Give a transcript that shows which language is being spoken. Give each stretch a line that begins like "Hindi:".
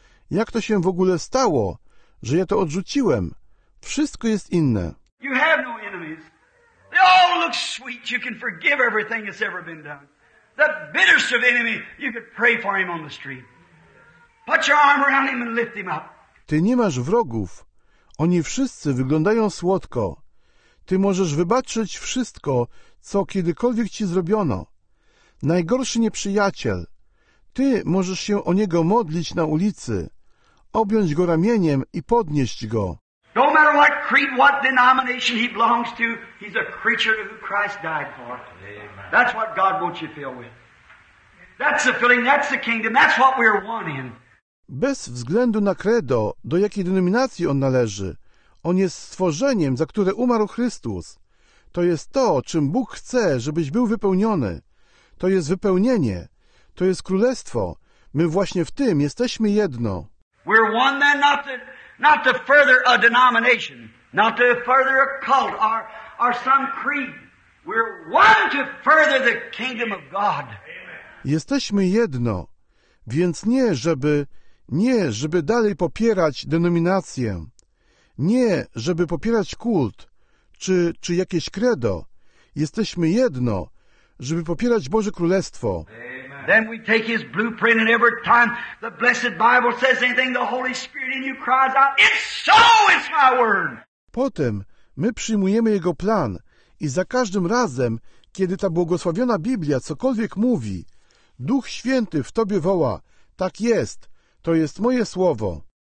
Polish: Jak to się w ogóle stało, że ja to odrzuciłem? Wszystko jest inne.
English: You have no enemies. They all look sweet. You can forgive everything that's ever been done. The bitterest of enemy, you could pray for him on the street. Put your arm around him and lift him up.
Polish: Ty nie masz wrogów. Oni wszyscy wyglądają słodko. Ty możesz wybaczyć wszystko, co kiedykolwiek ci zrobiono. Najgorszy nieprzyjaciel. Ty możesz się o niego modlić na ulicy, objąć go ramieniem i podnieść go.
English: No matter what creed, what denomination he belongs to, he's a creature who Christ died for. Amen. That's what God wants you to fill with. That's the filling, that's the kingdom, that's what we're one in.
Polish: Bez względu na credo, do jakiej denominacji on należy, on jest stworzeniem, za które umarł Chrystus. To jest to, czym Bóg chce, żebyś był wypełniony. To jest wypełnienie. To jest królestwo. My właśnie w tym jesteśmy jedno.
English: We're one then, not to further a denomination, not to further a cult or some creed. We're one to further the kingdom of God.
Polish: Jesteśmy jedno, więc nie żeby dalej popierać denominację, nie żeby popierać kult czy jakieś credo. Jesteśmy jedno, żeby popierać Boże Królestwo.
English: Then we take his blueprint, and every time the blessed Bible says anything, the Holy Spirit in you cries out, "It's so, it's my word."
Polish: Potem my przyjmujemy jego plan i za każdym razem, kiedy ta błogosławiona Biblia cokolwiek mówi, Duch Święty w tobie woła, tak jest, to jest moje słowo.